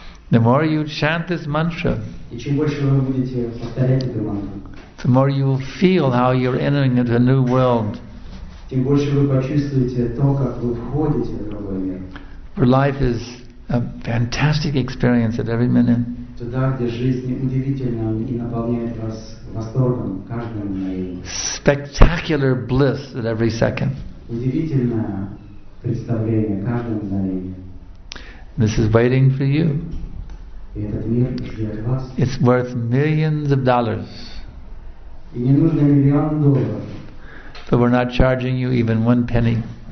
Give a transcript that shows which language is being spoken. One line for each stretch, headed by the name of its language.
English: The more you chant this mantra, the more you will feel how you're entering into a new world. Where life is a fantastic experience at every minute.
Russian: туда, где жизнь удивительна и наполняет вас восторгом каждым мгновением.
English: Spectacular bliss at every second.
Russian: Удивительное представление каждым мгновением.
English: This is waiting for you.
Russian: И этот мир ждет вас.
English: It's worth millions of dollars.
Russian: И не нужно миллион долларов.
English: But we're not charging you even one penny.